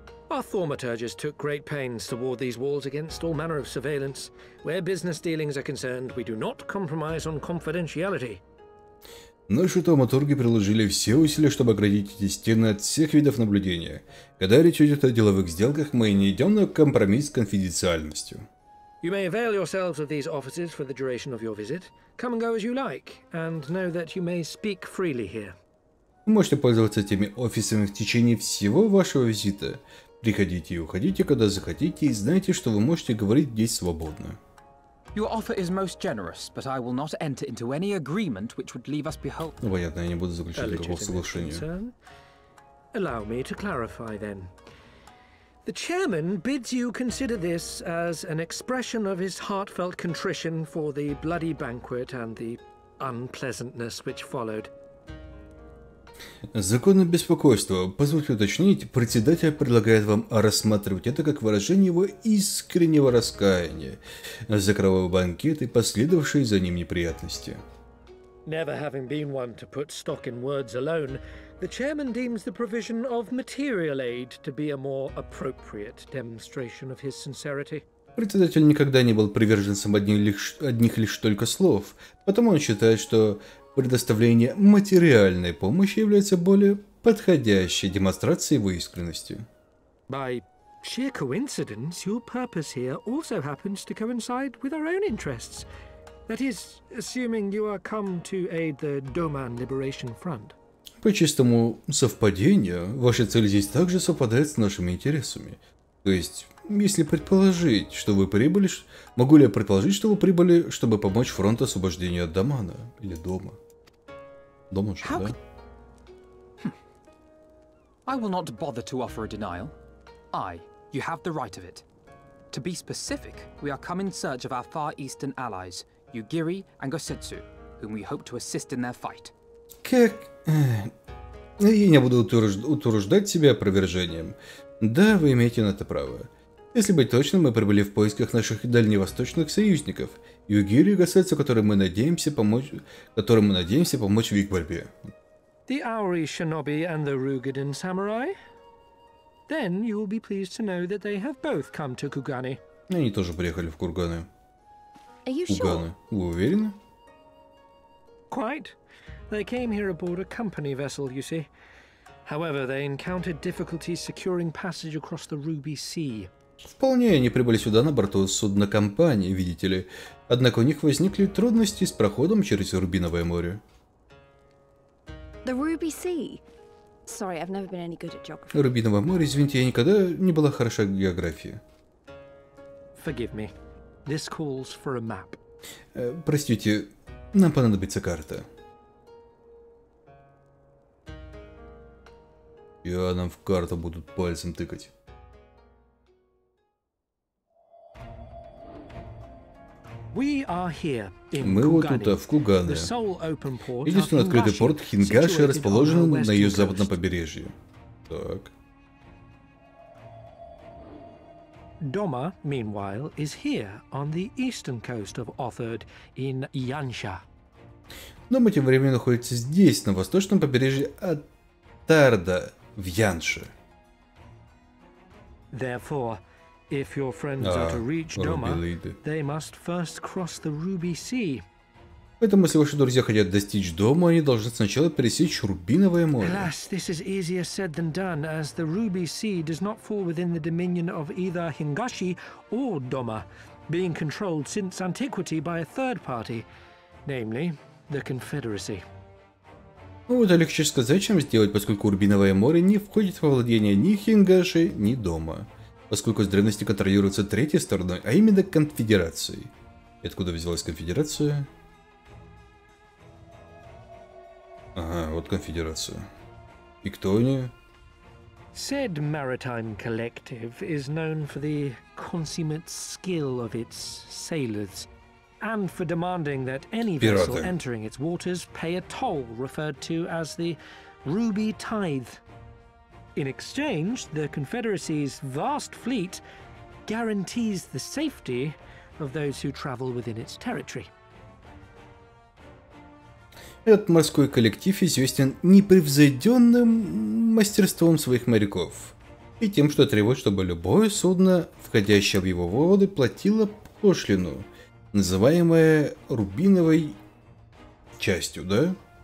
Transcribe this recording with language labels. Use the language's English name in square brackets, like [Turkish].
[English] Our thaumaturges took great pains to ward these walls against all manner of surveillance. Where business dealings are concerned, we do not compromise on confidentiality. [Russian] Наши таматурги приложили все усилия, чтобы оградить эти стены от всех видов наблюдения. Когда речь идет о деловых сделках, мы не идем на компромисс с конфиденциальностью. [English] You may avail yourselves of these offices for the duration of your visit. Come and go as you like, and know that you may speak freely here. [Russian] Вы можете пользоваться этими офисами в течение всего вашего визита. Приходите и уходите, когда захотите, и знайте, что вы можете говорить здесь свободно. [English] Your offer is most generous, but I will not enter into any agreement which would leave us beholden. [Russian] Ну, понятно, я не буду заключать никакого соглашения. [English] Allow me to clarify then. The chairman bids you consider this as an expression of his heartfelt contrition for the bloody banquet and the unpleasantness which followed. [Russian] Законное беспокойство. Позвольте уточнить, председатель предлагает вам рассматривать это как выражение его искреннего раскаяния за кровавый банкет и последовавшие за ним неприятности. [English] Never having been one to put stock in words alone, the chairman deems the provision of material aid to be a more appropriate demonstration of his sincerity. [Russian] Председатель никогда не был приверженцем одних лишь только слов, потому он считает, что предоставление материальной помощи является более подходящей демонстрацией его искренности. [English] By sheer coincidence, your purpose here also happens to coincide with our own interests. That is, assuming you are come to aid the Doman Liberation Front. [Russian] По чистому совпадению, ваша цель здесь также совпадает с нашими интересами. То есть, если предположить, что вы прибыли, могу ли я предположить, что вы прибыли, чтобы помочь фронту освобождения от Домана или Дома? Дома же, да? [English] I will not bother to offer a denial. I, you have the right of it. To be specific, we are come in search of our far eastern allies, Yugiri and Gosetsu, whom we hope to assist in their fight. [Russian] Как? Я не буду утруждать себя опровержением. Да, вы имеете на это право. Если быть точным, мы прибыли в поисках наших дальневосточных союзников, Югири и Гасетсу, которым мы надеемся помочь в их борьбе. [English] The Aori Shinobi and the Rugadin Samurai? Then you will be pleased to know that they have both come to Kugane. [Russian] Они тоже приехали в Курганы. [English] Are you sure? [Russian] Вы уверены? [English] Quite. They came here aboard a company vessel, you see. However, they encountered difficulties securing passage across the Ruby Sea. [Russian] Вполне, они прибыли сюда на борту судна компании, видите ли. Однако у них возникли трудности с проходом через Рубиновое море. [English] The Ruby Sea. Sorry, I've never been any good at geography. [Russian] Рубиновое море, извините, я никогда не была хороша в географии. [English] Forgive me. This calls for a map. [Russian] Простите, нам понадобится карта. И нам в карту будут пальцем тыкать. [English] We are here in [Russian] Мы вот тут, в Кугане. Единственный открытый порт Хингаши расположен на ее западном побережье. Так. [English] Дома, meanwhile, is here on the eastern coast of Othard in Yansha. [Russian] Дома тем временем находится здесь, на восточном побережье Оттарда, в Янше. [English] Therefore, if your friends are to reach Doma, they must first cross the Ruby Sea. [Russian] Поэтому, если ваши друзья хотят достичь Дома, они должны сначала пересечь Рубиновое море. [English] Alas, this is easier said than done, as the Ruby Sea does not fall within the dominion of either Hingashi or Doma, being controlled since antiquity by a third party, namely the Confederacy. [Russian] Ну, это легче сказать, чем сделать, поскольку Рубиновое море не входит во владение ни Хингаши, ни Дома. Поскольку с древности контролируется третьей стороной, а именно конфедерацией. И откуда взялась конфедерация? Ага, вот конфедерация. И кто они? [English] Said maritime collective is known for the consummate skill of its sailors and for demanding that any vessel entering its waters pay a toll referred to as the Ruby Tithe. In exchange, the Confederacy's vast fleet guarantees the safety of those who travel within its territory. [Russian] Этот морской коллектив известен непревзойденным мастерством своих моряков и тем, что требует, чтобы любое судно, входящее в его воды, платило пошлину, называемую рубиновой частью, да?